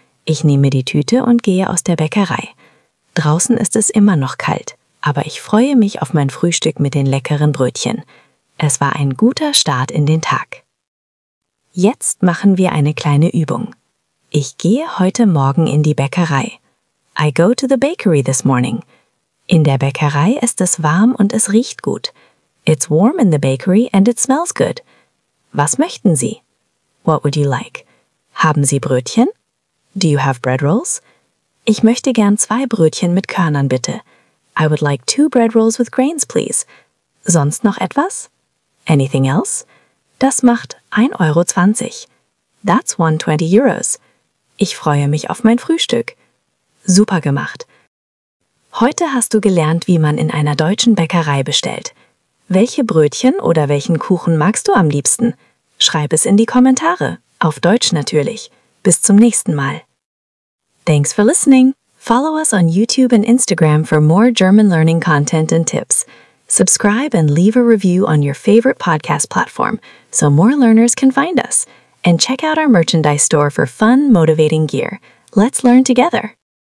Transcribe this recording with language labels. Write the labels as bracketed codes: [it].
[de] Ich nehme die Tüte und gehe aus der Bäckerei. Draußen ist es immer noch kalt, aber ich freue mich auf mein Frühstück mit den leckeren Brötchen. Es war ein guter Start in den Tag. Jetzt machen wir eine kleine Übung. Ich gehe heute Morgen in die Bäckerei. [en] I go to the bakery this morning. [de] In der Bäckerei ist es warm und es riecht gut. [en] It's warm in the bakery and it smells good. [de] Was möchten Sie? [en] What would you like? [de] Haben Sie Brötchen? [en] Do you have bread rolls? [de] Ich möchte gern zwei Brötchen mit Körnern, bitte. [en] I would like two bread rolls with grains, please. [de] Sonst noch etwas? [en] Anything else? [de] Das macht 1,20 Euro. [en] That's 120 Euros. [de] Ich freue mich auf mein Frühstück. Super gemacht. Heute hast du gelernt, wie man in einer deutschen Bäckerei bestellt. Welche Brötchen oder welchen Kuchen magst du am liebsten? Schreib es in die Kommentare, auf Deutsch natürlich. Bis zum nächsten Mal. [en] Thanks for listening. Follow us on YouTube and Instagram for more German learning content and tips. Subscribe and leave a review on your favorite podcast platform so more learners can find us. And check out our merchandise store for fun, motivating gear. Let's learn together.